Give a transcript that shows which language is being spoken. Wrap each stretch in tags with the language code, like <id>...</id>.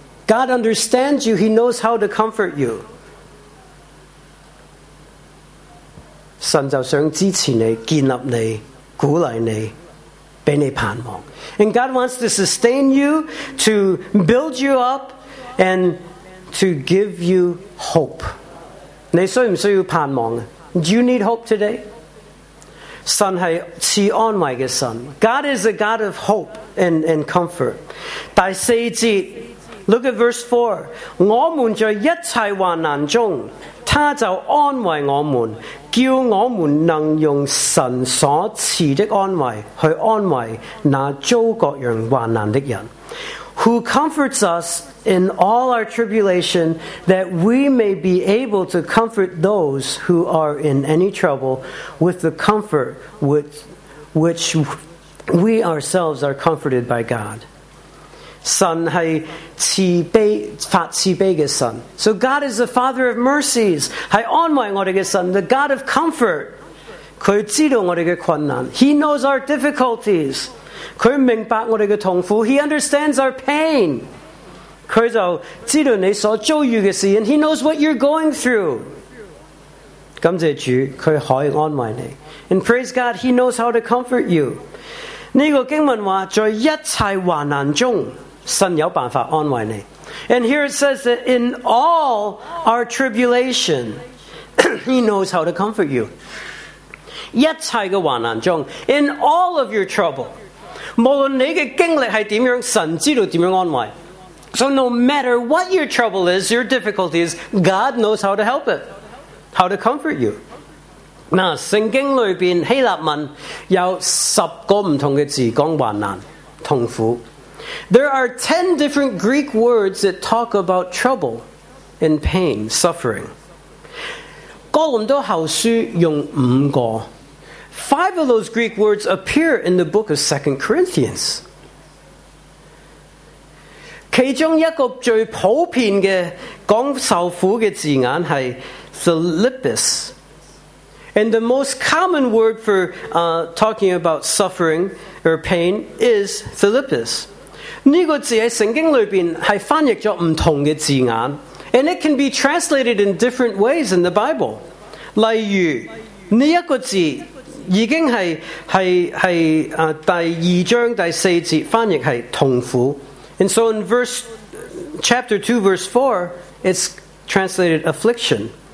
<en>God understands you, he knows how to comfort you.</en> <zh>神就想支持你，建立你，鼓励你，给你盼望。</zh> <en>And God wants to sustain you, to build you up, and to give you hope.</en> <zh>你需不需要盼望？</zh> <en>Do you need hope today?</en> <zh>神是赐安慰的神。</zh> <en>God is a God of hope and comfort.</en> <zh>第四节，</zh> <en>look at verse 4.</en> <zh>我们在一切患难中，他就安慰我们，叫我们能用神所赐的安慰去安慰那遭各样患难的人。</zh> <en>Who comforts us in all our tribulation, that we may be able to comfort those who are in any trouble with the comfort which we ourselves are comforted by God.</en> <zh>神是慈悲，发慈悲的神。</zh> <en>So God is the Father of mercies,</en> <zh>是安慰我们的神，</zh> <en>the God of comfort.</en> <zh>祂知道我们的困难，</zh> <en>He knows our difficulties.</en> <zh>祂明白我们的痛苦，</zh> <en>He understands our pain.</en> <zh>他就知道你所遭遇的事，</zh> <en>and he knows what you're going through.</en> <zh>感谢主，他可以安慰你。</zh> <en>And praise God, he knows how to comfort you.</en> <zh>这个经文说，在一切患难中，神有办法安慰你。</zh> <en>And here it says that in all our tribulation, he knows how to comfort you.</en> <zh>一切的患难中，</zh> <en>in all of your trouble,</en> <zh>无论你的经历是怎样，神知道怎样安慰。</zh> <en>So no matter what your trouble is, your difficulty is, God knows how to help it, how to comfort you.</en> <zh>那圣经里边希腊文有十个唔同嘅字讲患难、痛苦。</zh> <en>There are 10 different Greek words that talk about trouble and pain, suffering.</en> <zh>哥林多后书用五个。</zh> <en>5 of those Greek words appear in the book of 2 Corinthians.</en> <zh>其中一个最普遍嘅讲受苦嘅字眼是 Philippus.</zh> <en>And the most common word for talking about suffering or pain is Philippus.</en> <zh>这个字在圣经里面是翻译了不同的字眼。</zh> <en>And it can be translated in different ways in the Bible.</en> <zh>例如这个字已经 是第二章第四节翻译是痛苦。</zh> <en>And so in chapter 2 verse 4, it's translated affliction.</en>